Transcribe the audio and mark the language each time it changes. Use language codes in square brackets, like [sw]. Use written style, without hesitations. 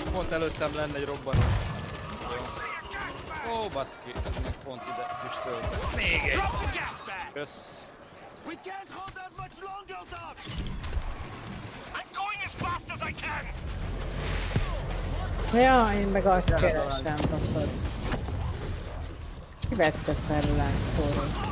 [hu] Előttem lenne egy robbanat. Ó, baszki, ez meg pont ide is töltött. Még egy! Kösz! [en] We can't hold that much longer, Doc! I'm going as fast as I can! [hu] Ja, én meg azt keresztem, doktor. Ki vette fel a lángszóról?